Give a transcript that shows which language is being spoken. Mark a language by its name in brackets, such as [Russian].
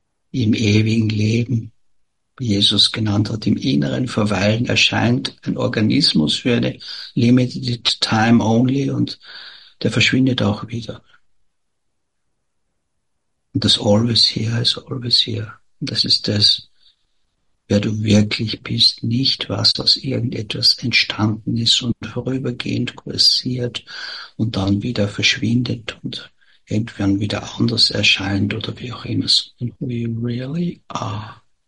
[German] Im ewigen Leben, wie Jesus genannt hat, im inneren Verweilen erscheint ein Organismus für eine [English] limited time only [German] und der verschwindet auch wieder. Und das [English] always here is always here. [German] Und das ist das, wer du wirklich bist, nicht was aus irgendetwas entstanden ist und vorübergehend kursiert und dann wieder verschwindet und irgendwann wieder anders erscheint oder wie auch immer. [English] We really are.